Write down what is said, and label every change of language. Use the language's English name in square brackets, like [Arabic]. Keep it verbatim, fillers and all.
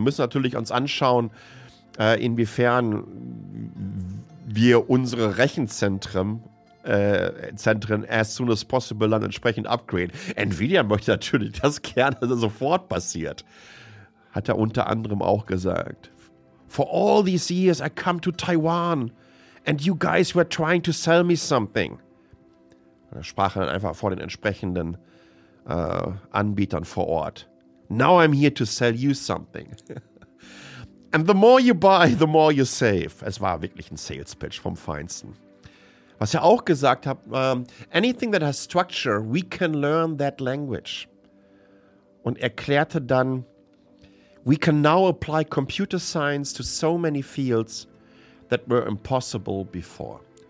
[German] Wir müssen natürlich uns anschauen, äh, inwiefern wir unsere Rechenzentren Äh, Zentren [English] as soon as possible [German] dann entsprechend upgraden. Nvidia möchte natürlich das gerne, dass das sofort passiert. Hat er unter anderem auch gesagt. [English] For all these years I come to Taiwan and you guys were trying to sell me something. [German] Da sprach er dann einfach vor den entsprechenden äh, Anbietern vor Ort. [English] Now I'm here to sell you something. And the more you buy, the more you save. [German] Es war wirklich ein Sales-Pitch vom Feinsten. Was er auch gesagt hat, [English] um, anything that has structure, we can learn that language. [German] Und erklärte dann, [English] we can now apply computer science to so many fields that were impossible before.